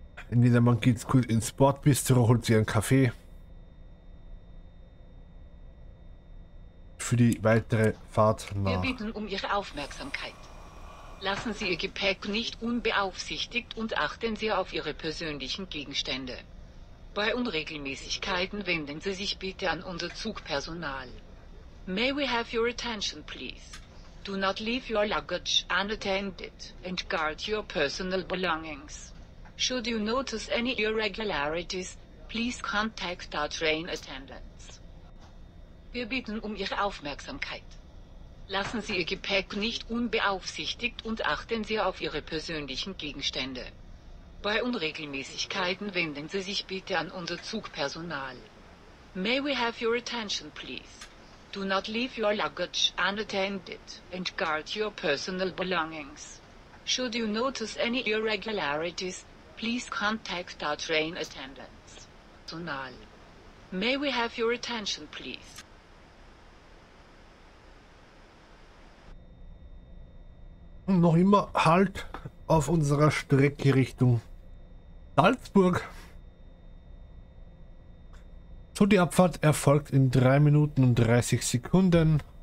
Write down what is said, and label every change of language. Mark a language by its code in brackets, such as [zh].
[de] Entweder man geht kurz ins Bordbistro, holt sich einen Kaffee für die weitere Fahrt nach. Wir bitten um Ihre Aufmerksamkeit. Lassen Sie Ihr Gepäck nicht unbeaufsichtigt und achten Sie auf Ihre persönlichen Gegenstände. Bei Unregelmäßigkeiten wenden Sie sich bitte an unser Zugpersonal. [en] May we have your attention, please? Do not leave your luggage unattended and guard your personal belongings. Should you notice any irregularities, please contact our train attendants. [de] Wir bitten um Ihre Aufmerksamkeit. Lassen Sie Ihr Gepäck nicht unbeaufsichtigt und achten Sie auf Ihre persönlichen Gegenstände. Bei Unregelmäßigkeiten wenden Sie sich bitte an unser Zugpersonal. [en] May we have your attention, please? Do not leave your luggage unattended and guard your personal belongings. Should you notice any irregularities, please contact our train attendants. Personal. May we have your attention, please? [de] Noch immer Halt auf unserer Strecke Richtung Salzburg. So, die Abfahrt erfolgt in 3 Minuten und 30 Sekunden.